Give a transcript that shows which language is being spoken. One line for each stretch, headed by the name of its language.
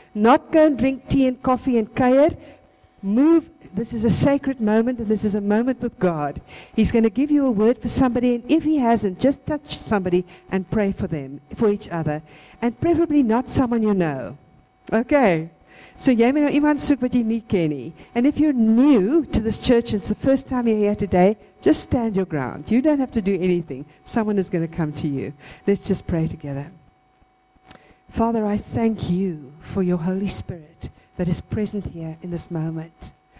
English: Not go and drink tea and coffee and kayer. Move. This is a sacred moment, and this is a moment with God. He's going to give you a word for somebody, and if he hasn't, just touch somebody and pray for them, for each other. And preferably not someone you know. Okay.
Afrikaans: So, jy moet nou iemand soek wat jy nie ken nie.
English: And if you're new to this church, and it's the first time you're here today, just stand your ground. You don't have to do anything. Someone is going to come to you. Let's just pray together. Father, I thank you for your Holy Spirit that is present here in this moment.